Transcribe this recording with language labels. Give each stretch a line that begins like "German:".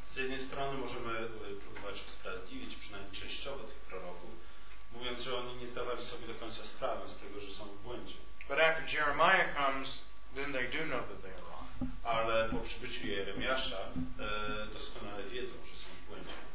Polish: Z jednej strony możemy próbować usprawiedliwić przynajmniej częściowo tych proroków, mówiąc, że oni nie zdawali sobie do końca sprawy z tego, że są w błędzie.
English: But after Jeremiah comes, then they do know that they are wrong.
Polish: Ale po przybyciu Jeremiasza doskonale wiedzą, że są w błędzie.